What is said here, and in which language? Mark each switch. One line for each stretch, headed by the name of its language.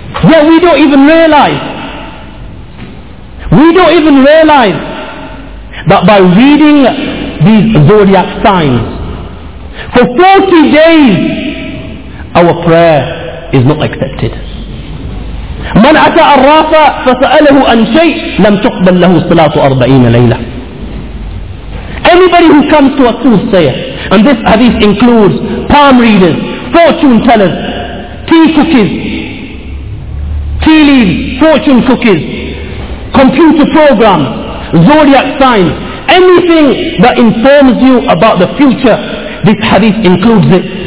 English: Yeah, we don't even realize. We don't even realize that by reading these zodiac signs, for 40 days, our prayer is not accepted.
Arabic: من أتى الرافع فسأله عن شيء لم تقبل له صلاة 40 ليلة.
English: Anybody who comes to a soothsayer, and this hadith includes palm readers, fortune tellers, tea cookies, tea leaves, fortune cookies, computer programs, zodiac signs, anything that informs you about the future, this hadith includes it.